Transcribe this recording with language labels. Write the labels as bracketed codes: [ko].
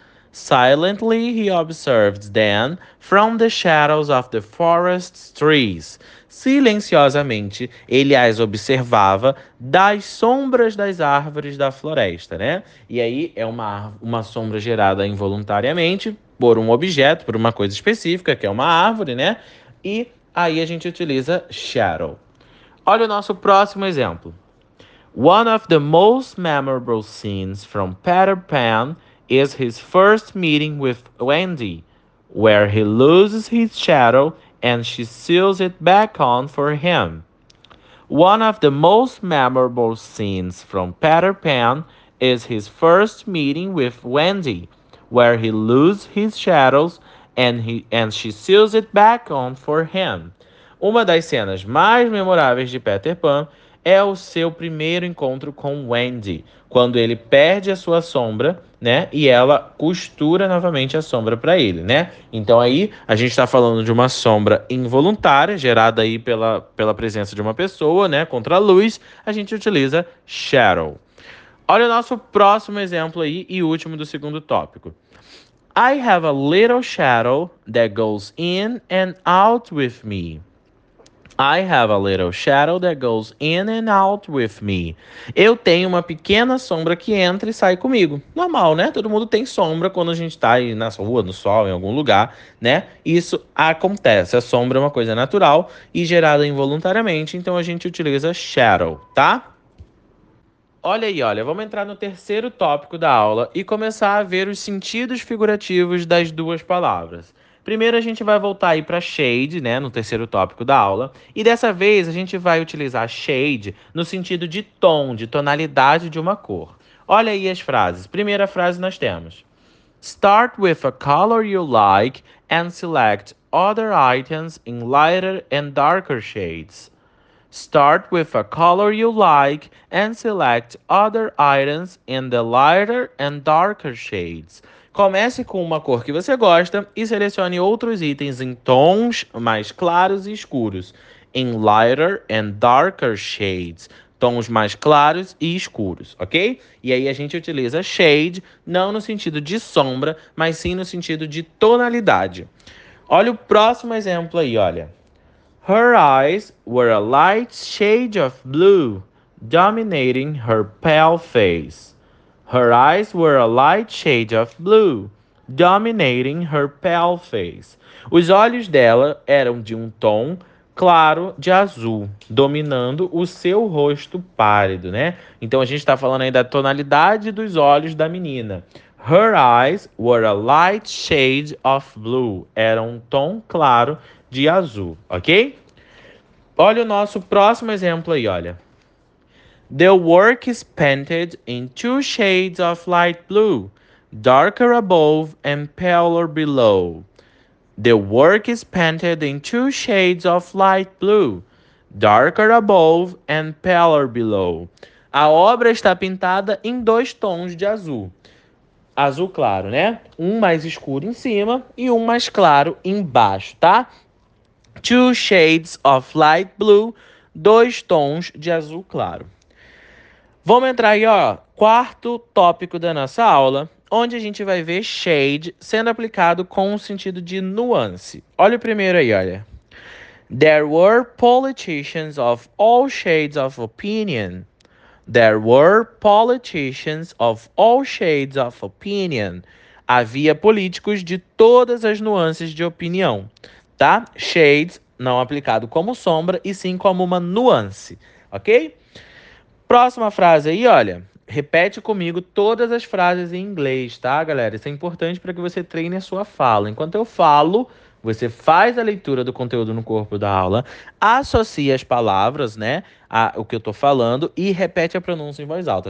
[en] Silently he observed them from the shadows of the forest trees. [pt] Silenciosamente ele as observava das sombras das árvores da floresta, né? E aí é uma sombra gerada involuntariamente por um objeto, por uma coisa específica, que é uma árvore, né? E aí a gente utiliza shadow. Olha o nosso próximo exemplo. [en] One of the most memorable scenes from Peter Pan is his first meeting with Wendy, where he loses his shadow and she seals it back on for him. One of the most memorable scenes from Peter Pan is his first meeting with Wendy, where he loses his shadows and she seals it back on for him. [pt] Uma das cenas mais memoráveis de Peter Pan é o seu primeiro encontro com Wendy, quando ele perde a sua sombra, né? E ela costura novamente a sombra para ele, né? Então aí a gente está falando de uma sombra involuntária, gerada aí pela presença de uma pessoa, né? Contra a luz, a gente utiliza shadow. Olha o nosso próximo exemplo aí e último do segundo tópico. [en] I have a little shadow that goes in and out with me. I have a little shadow that goes in and out with me. [pt] Eu tenho uma pequena sombra que entra e sai comigo. Normal, né? Todo mundo tem sombra quando a gente tá aí na rua, no sol, em algum lugar, né? Isso acontece. A sombra é uma coisa natural e gerada involuntariamente, então a gente utiliza shadow, tá? Olha aí, olha, vamos entrar no terceiro tópico da aula e começar a ver os sentidos figurativos das duas palavras. Primeiro a gente vai voltar aí para shade, né, no terceiro tópico da aula. E dessa vez a gente vai utilizar shade no sentido de tom, de tonalidade de uma cor. Olha aí as frases. Primeira frase nós temos: [en] Start with a color you like and select other items in lighter and darker shades. Start with a color you like and select other items in the lighter and darker shades. [pt] Comece com uma cor que você gosta e selecione outros itens em tons mais claros e escuros. [en] In lighter and darker shades. [pt] Tons mais claros e escuros, ok? E aí a gente utiliza shade, não no sentido de sombra, mas sim no sentido de tonalidade. Olha o próximo exemplo aí, olha. [en] Her eyes were a light shade of blue, dominating her pale face. Her eyes were a light shade of blue, dominating her pale face. [pt] Os olhos dela eram de um tom claro de azul, dominando o seu rosto pálido, né? Então a gente está falando aí da tonalidade dos olhos da menina. [en] Her eyes were a light shade of blue. [pt] Era um tom claro de azul, ok? Olha o nosso próximo exemplo aí, olha. [en] The work is painted in two shades of light blue, darker above and paler below. The work is painted in two shades of light blue, darker above and paler below. [pt] A obra está pintada em dois tons de azul. Azul claro, né? Um mais escuro em cima e um mais claro embaixo, tá? [en] Two shades of light blue, [pt] dois tons de azul claro. Vamos entrar aí, ó, quarto tópico da nossa aula, onde a gente vai ver shade sendo aplicado com o sentido de nuance. Olha o primeiro aí, olha. [en] There were politicians of all shades of opinion. There were politicians of all shades of opinion. [pt] Havia políticos de todas as nuances de opinião, tá? Shades não aplicado como sombra e sim como uma nuance, ok? Próxima frase aí, olha, repete comigo todas as frases em inglês, tá, galera? Isso é importante para que você treine a sua fala. Enquanto eu falo, você faz a leitura do conteúdo no corpo da aula, associa as palavras, né, ao que eu tô falando e repete a pronúncia em voz alta.